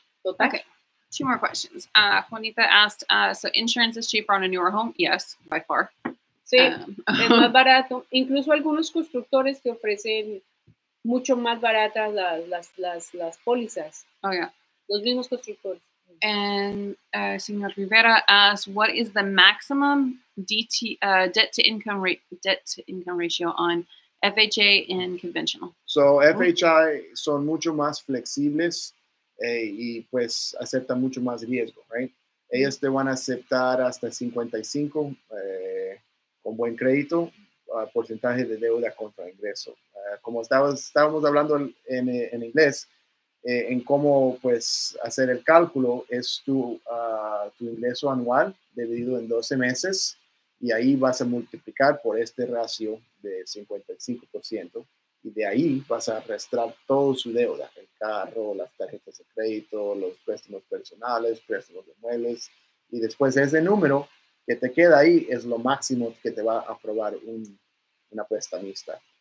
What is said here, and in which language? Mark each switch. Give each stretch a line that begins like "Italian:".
English: Okay. Two more questions. Juanita asked, so insurance is cheaper on a newer home? Yes, by far.
Spanish: Sí, es más barato. Incluso algunos constructores te ofrecen mucho más baratas las pólizas. Oh, yeah. Los mismos constructores.
English: And Señor Rivera asked, what is the maximum debt to income ratio on FHA and conventional?
Spanish: So FHA son mucho más flexibles y pues aceptan mucho más riesgo, right? Ellas te van a aceptar hasta 55 con buen crédito, porcentaje de deuda contra ingreso. Como estábamos hablando en inglés, en cómo pues hacer el cálculo es tu ingreso anual dividido en 12 meses y ahí vas a multiplicar por este ratio de 55% y de ahí vas a arrastrar toda su deuda, el carro, las tarjetas de crédito, los préstamos personales, préstamos de muebles y después ese número que te queda ahí es lo máximo que te va a aprobar una prestamista.